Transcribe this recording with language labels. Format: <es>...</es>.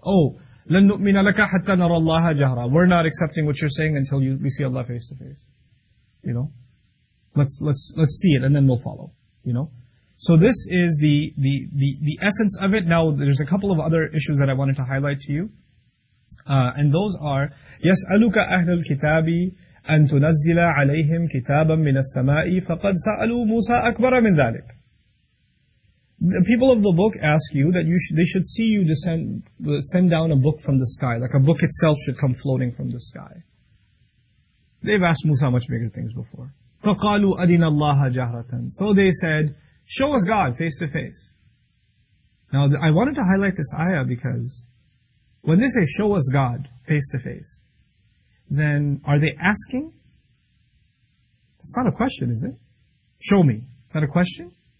<ar>Oh, لَن نُؤْمِنَ لَكَ حَتَّى نَرَى اللَّهَ جَهْرًا.</ar> <en>We're not accepting what you're saying until we see Allah face to face. You know? Let's see it and then we'll follow. You know? So this is the essence of it. Now, there's a couple of other issues that I wanted to highlight to you. And those are,</en> <ar>يَسْأَلُكَ أَهْلُ الْكِتَابِ أَن تُنَزِّلَ عَلَيْهِمْ كِتَابًا مِنَ السَّمَاءِ فَقَدْ سَأَلُوا مُوسَىٰ أَكْبَرَ مِنْ ذَلِكَ.</ar> <en>The people of the book ask you that they should see you send down a book from the sky, like a book itself should come floating from the sky. They've asked Musa much bigger things before.</en> <ar>فَقَالُوا أَدِنَ اللَّهَ جَهْرَةً.</ar> <en>So they said, show us God face to face. Now, I wanted to highlight this ayah because when they say, show us God face to face, then are they asking? It's not a question, is it? Show me. Is that a question?</en>